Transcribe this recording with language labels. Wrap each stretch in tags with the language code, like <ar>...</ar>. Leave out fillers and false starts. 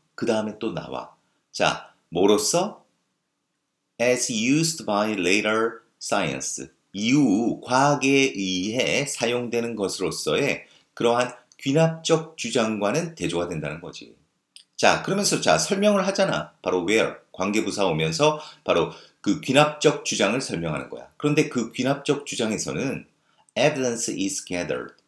<ko>그 다음에 또 나와. 자, 뭐로써?</ko> <en>As used by later science.</en> <ko>이후 과학에 의해 사용되는 것으로서의 그러한 귀납적 주장과는 대조가 된다는 거지. 자, 그러면서 자 설명을 하잖아. 바로 where, 관계부사 오면서 바로 그 귀납적 주장을 설명하는 거야. 그런데 그 귀납적 주장에서는</ko> <en>evidence is gathered.</en>